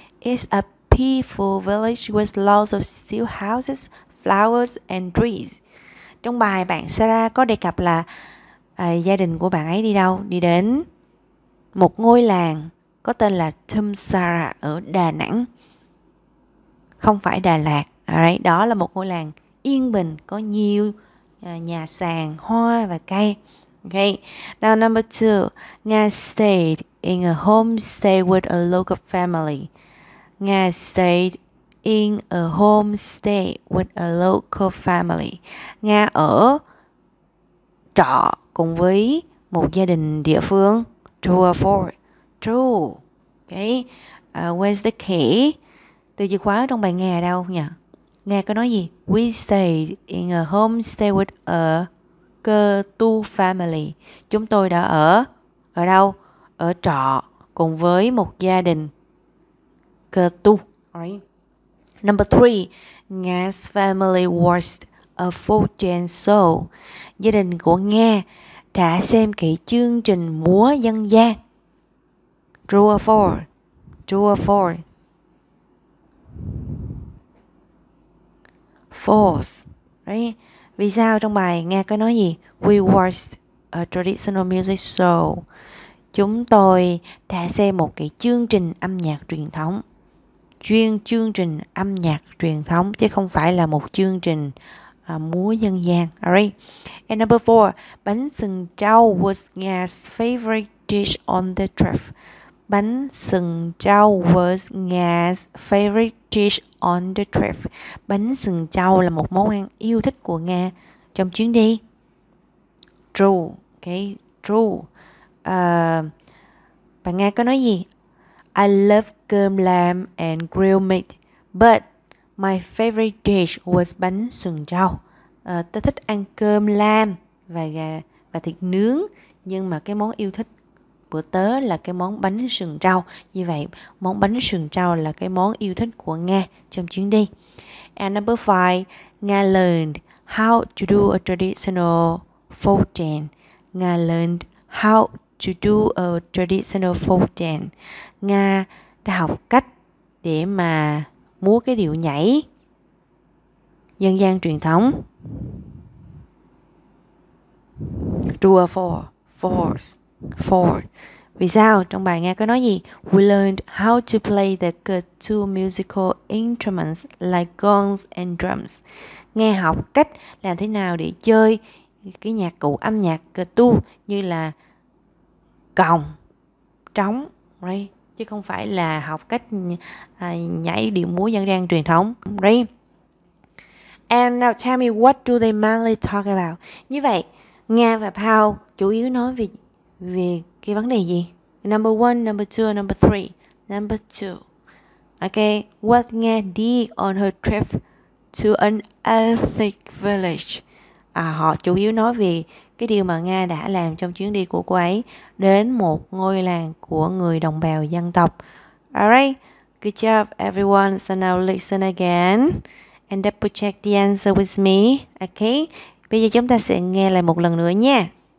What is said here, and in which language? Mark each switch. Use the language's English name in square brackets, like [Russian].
[English] It's a peaceful village with lots of still houses, flowers and trees. [Vietnamese] Trong bài bạn Sarah có đề cập là gia đình của bạn ấy đi đâu? Đi đến một ngôi làng có tên là Tum Sar ở Đà Nẵng. Không phải Đà Lạt. Alright, đó là một ngôi làng yên bình, có nhiều nhà sàn, hoa và cây. [English] Okay. Now number two, Nga stayed in a homestay with a local family. Nga stayed in a homestay with a local family. [Vietnamese] Nga ở trọ cùng với một gia đình địa phương. [English] True or false? True. Okay. Where's the key? [Vietnamese] Từ chìa khóa trong bài Nga ở đâu nhỉ? Nga có nói gì? [English] We stayed in a homestay with a cơ tu family. [Vietnamese] Chúng tôi đã ở đâu? Ở trọ cùng với một gia đình cơ tu. Alright. [English] Number three, Nga's family watched a full dance show. [Vietnamese] Gia đình của Nga đã xem kỹ chương trình múa dân gian. [English] True or false? True or false? False. Right? [Vietnamese] Vì sao trong bài Nga có nói gì? [English] We watched a traditional music show. [Vietnamese] Chúng tôi đã xem một cái chương trình âm nhạc truyền thống. Chương trình âm nhạc truyền thống chứ không phải là một chương trình múa dân gian. [English] Alright. And number four, bánh sừng trâu was Nga's favorite dish on the trip. Bánh sừng trâu was Nga's favorite dish on the trip. [Vietnamese] Bánh sừng trâu là một món ăn yêu thích của Nga trong chuyến đi. [English] True, okay, true. [Vietnamese] Bạn Nga có nói gì? [English] I love cơm lamb and grilled meat, but my favorite dish was bánh sừng trâu. [Vietnamese] Tôi thích ăn cơm lamb và gà và thịt nướng, nhưng mà cái món yêu thích bữa tớ là cái món bánh sừng trâu. Như vậy, món bánh sừng trâu là cái món yêu thích của Nga trong chuyến đi. [English] And number five, Nga learned how to do a traditional folk dance. Nga learned how to do a traditional folk dance. [Vietnamese] Nga đã học cách để mà múa cái điệu nhảy dân gian truyền thống. [English] True or false? False. Four. [Vietnamese] Vì sao? Trong bài Nga có nói gì? We learned how to play the two musical instruments like gongs and drums. Nga học cách làm thế nào để chơi cái nhạc cụ âm nhạc tu như là còng, trống, right? Chứ không phải là học cách nhảy điệu múa dân gian truyền thống, right? [English] And now tell me what do they mainly talk about? [Vietnamese] Như vậy, Nga và Pao chủ yếu nói về cái vấn đề gì? [English] Number one, number two, number three. Number two. Okay, what Nga did on her trip to an ethnic village. [Vietnamese] Họ chủ yếu nói về cái điều mà Nga đã làm trong chuyến đi của cô ấy đến một ngôi làng của người đồng bào dân tộc. [English] Alright, good job everyone. So now listen again and double check the answer with me. [Vietnamese] Okay, bây giờ chúng ta sẽ nghe lại một lần nữa nha.